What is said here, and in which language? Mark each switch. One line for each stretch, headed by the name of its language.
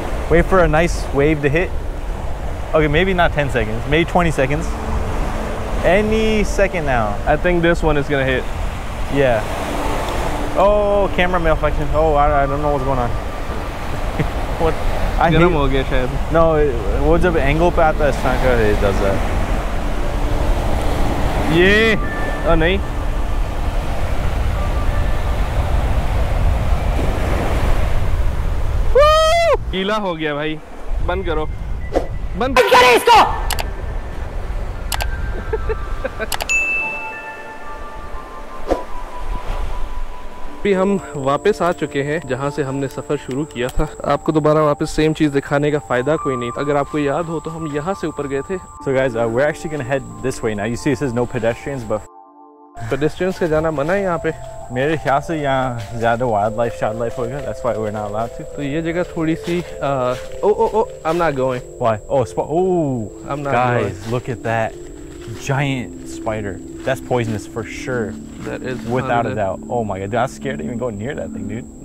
English: Wait for a nice wave to hit. Okay, maybe not 10 seconds. Maybe 20 seconds. Any second now. I think this one is gonna hit. Yeah. Oh, camera malfunction. Oh, I don't know what's going on. What? I
Hindi: गरम हो गया शायद. No, वो जब angle पे आता है इस टाइम का दस है ये. ओ नहीं, कीला हो गया भाई. बंद करो, बंद करो इसको. अभी हम वापस आ चुके हैं जहाँ से हमने सफ़र शुरू किया था. आपको दोबारा वापस सेम चीज़ दिखाने का फ़ायदा कोई नहीं. अगर आपको याद हो तो हम यहाँ से ऊपर गए थे.
English: So guys, we're actually gonna head this way now. You see, this is no pedestrians, but
Hindi: pedestrians के जाना मना है यहाँ पे. मेरे ख्याल से यहाँ ज़्यादा wildlife होगा.
English: That's why we're not allowed to.
Hindi: तो ये जगह थोड़ी सी
English: I'm not going. Why? Oh, I'm not guys, going. Look at that giant spider. That's poisonous for sure. That is without a doubt. Oh my god, dude, I'm scared to even go near that thing, dude.